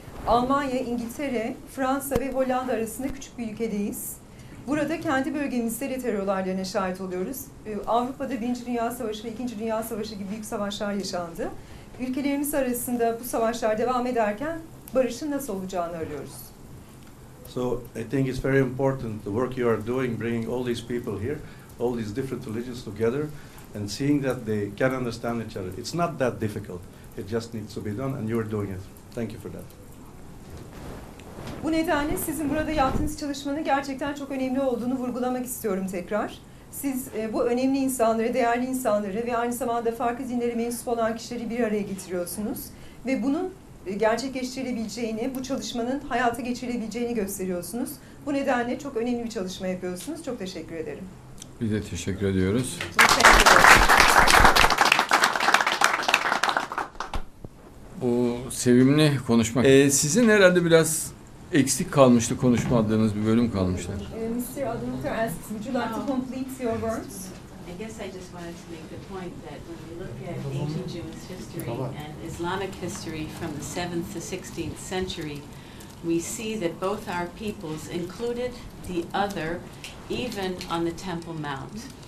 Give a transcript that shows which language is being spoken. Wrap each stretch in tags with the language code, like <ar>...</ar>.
<tr>Almanya, İngiltere, Fransa ve Hollanda arasında küçük bir ülkedeyiz. Burada kendi bölgemizde terör olaylarına şahit oluyoruz. Avrupa'da 1. Dünya Savaşı ve 2. Dünya Savaşı gibi büyük savaşlar yaşandı. Ülkelerimiz arasında bu savaşlar devam ederken barışın nasıl olacağını arıyoruz.</tr> <en>So I think it's very important the work you are doing, bringing all these people here, all these different religions together, and seeing that they can understand each other. It's not that difficult. It just needs to be done, and you are doing it. Thank you for that.</en> <tr>Bu nedenle sizin burada yaptığınız çalışmanın gerçekten çok önemli olduğunu vurgulamak istiyorum tekrar. Siz bu önemli insanları, değerli insanları ve aynı zamanda farklı dinlere mensup olan kişileri bir araya getiriyorsunuz ve bunun gerçekleştirilebileceğini, bu çalışmanın hayata geçirilebileceğini gösteriyorsunuz. Bu nedenle çok önemli bir çalışma yapıyorsunuz. Çok teşekkür ederim. Biz de teşekkür ediyoruz. Bu sevimli konuşma. Sizin herhalde biraz eksik kalmıştı, konuşmadığınız bir bölüm kalmıştı.</tr> <en>Mr. Adamuter asks, would you like to complete your words? I guess I just wanted to make the point that when we look at ancient Jewish history and Islamic history from the 7th to 16th century, we see that both our peoples included the other even on the Temple Mount.</en>